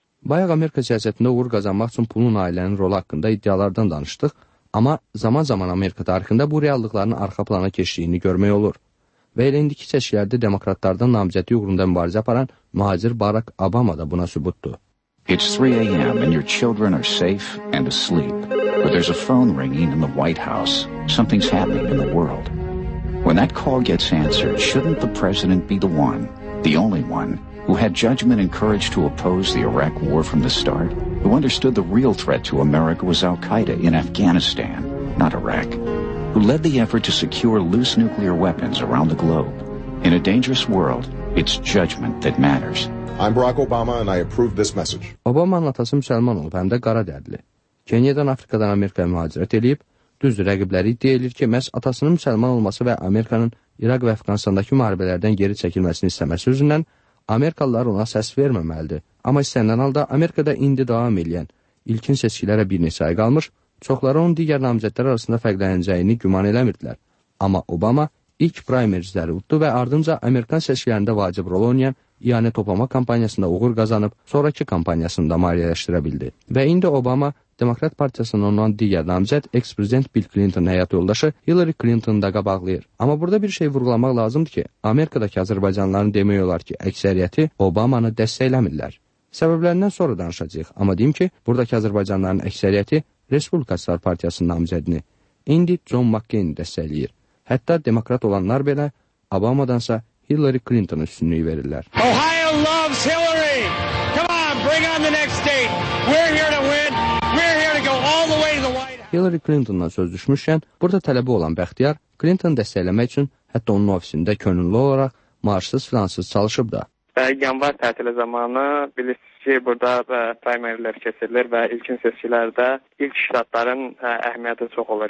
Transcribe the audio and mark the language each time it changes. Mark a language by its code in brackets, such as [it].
[az] Bayaq Amerika siyasətində uğur qazanmaq üçün pulun ailənin rolu haqqında iddialardan danışdıq, amma zaman-zaman Amerika tarixində bu reallıqların arxa plana keçdiyini görmək olur. Və elə indiki seçkilərdə demokratlardan namizədi uğrunda mübarizə aparan mühacir Barack Obama da buna sübutdur. [en] It's 3 a.m. and your children are safe and asleep. But there's a phone ringing in the White House. Something's happening in the world. When that call gets answered, shouldn't the president be the one, the only one, who had judgment and courage to oppose the Iraq war from the start? Who understood the real threat to America was Al-Qaeda in Afghanistan, not Iraq? Who led the effort to secure loose nuclear weapons around the globe? In a dangerous world, it's judgment that matters. I'm Barack Obama and I approve this message. [az] Obama'nın atası Müslüman olub, həm də qara dərdli. Kenya'dan, Afrikadan Amerika'ya mühacirət eləyib, düzdür, rəqibləri iddia edir ki, məhz atasının Müslüman olması və Amerikanın İraq və Afqanistandakı müharibələrdən geri çəkilməsini istəməsi üzündən Amerikalılar ona səs verməməlidir. Amma istənilən halda Amerikada indi davam edən ilkin seçkilərə bir neçə ay qalmış, çoxları onun digər namizədlər arasında fərqlənəcəyini güman eləmirdilər. Amma Obama ilk primerizləri uddu və ardınca Amerikan seçkilərində vacib rol oynayan İyanət toplama kampaniyasında uğur qazanıb, sonrakı kampaniyasında maliyyələşdirə bildi. Və indi Obama, Demokrat Partiyasının ondan digər namizəd, ex-prezident Bill Clinton həyat yoldaşı Hillary Clinton da qabaqlayır. Amma burada bir şey vurgulamaq lazımdır ki, Amerikadakı Azərbaycanlıların demək olar ki, əksəriyyəti Obamanı dəstəkləmirlər. Səbəblərindən sonra danışacaq, amma deyim ki, buradakı Azərbaycanlıların əksəriyyəti Respublikaçılar Partiyasının namizədini, indi John McCain-i dəstəkləyir. Hətta demokrat olanlar belə, Obamadansa Hillary Clinton'a üstünlüyü verirlər. [en] Ohio loves Hillary! Come on, bring on the next state! We're here to win! We're here to go all the way to the White House! [az] Hillary Clinton'la söz düşmüşkən, burada tələbi olan Bəxtiyar, Clinton'ı dəstəkləmək üçün hətta onun ofisində könüllü olaraq maaşsız filansız çalışıb da. Yanvar tətili zamanı bilirsiniz ki, burada primerlər kesilir və ilkin seçkilərdə ilk ştatların əhəmiyyəti çox olur.